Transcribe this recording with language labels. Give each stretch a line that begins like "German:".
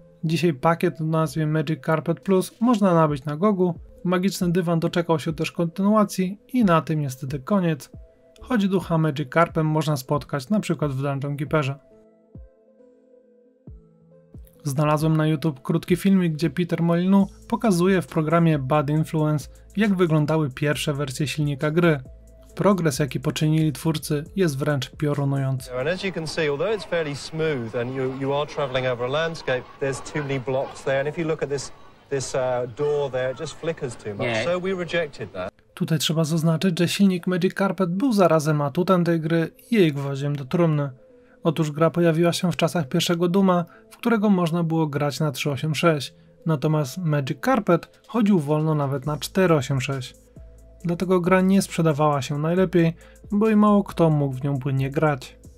Polish: Dzisiaj pakiet o nazwie Magic Carpet Plus można nabyć na GOG-u, magiczny dywan doczekał się też kontynuacji i na tym niestety koniec, choć ducha Magic Carpet można spotkać np. w Dungeon Keeperze. Znalazłem na YouTube krótki filmik, gdzie Peter Molyneux pokazuje w programie Bad Influence, jak wyglądały pierwsze wersje silnika gry. Progres, jaki poczynili twórcy, jest wręcz piorunujący.
English: And as you can see, although it's fairly smooth and you are traveling over a landscape, there's too many blocks there. And if you look at this door there, it just flickers too much. Yeah. So we rejected that.
Polish: Tutaj trzeba zaznaczyć, że silnik Magic Carpet był zarazem atutem tej gry i jej gwoździem do trumny. Otóż gra pojawiła się w czasach pierwszego Dooma, w którego można było grać na 386. Natomiast Magic Carpet chodził wolno nawet na 486. Dlatego gra nie sprzedawała się najlepiej, bo i mało kto mógł w nią płynnie grać.